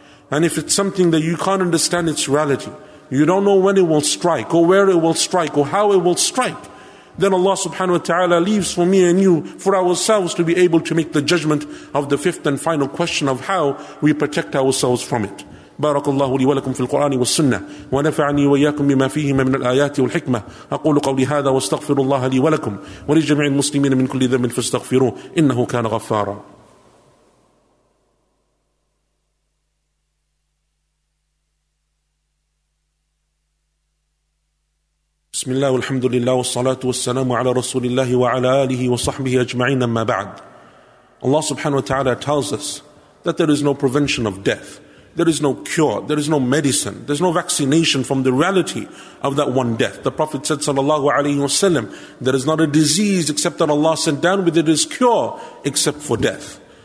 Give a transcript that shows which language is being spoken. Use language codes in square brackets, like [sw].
[en] And if it's something that you can't understand its reality, you don't know when it will strike or where it will strike or how it will strike, then Allah subhanahu wa ta'ala leaves for me and you, for ourselves, to be able to make the judgment of the fifth and final question of how we protect ourselves from it. [ar] بارك الله لي ولكم في القرآن والسنة ونفعني وإياكم بما فيهما من الآيات والحكمة. أقول قولي هذا واستغفر الله لي ولكم ولجميع المسلمين من كل ذنب فاستغفروه إنه كان غفارا. بسم الله والحمد لله والصلاة والسلام على رسول الله وعلى آله وصحبه أجمعين. أما بعد, الله سبحانه وتعالى [en] tells us that there is no prevention of death, there is no cure, there is no medicine, there is no vaccination from the reality of that one death. The Prophet said sallallahu alayhi wa sallam, there is not a disease except that Allah sent down with it is cure except for death.